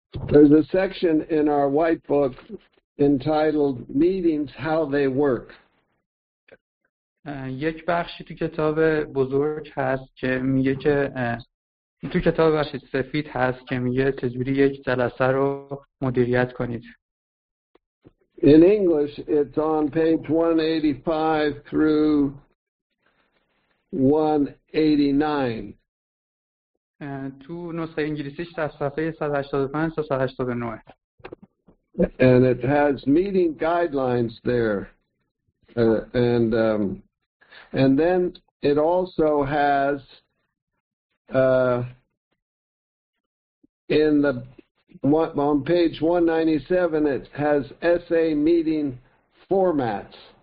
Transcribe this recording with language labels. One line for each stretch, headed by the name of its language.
English: There's a section in our white book entitled Meetings, How They Work.
Persian: یک بخشی تو کتاب بزرگ هست که میگه که تو کتاب بخش سفید هست که میگه چجوری یک جلسه رو مدیریت کنید.
English: In English it's on page 185 through 189.
Persian: تو نسخه انگلیسیش در صفحه 185 تا 189.
English: And it has meeting guidelines there. And then it also has in the on page 197 it has SA meeting formats.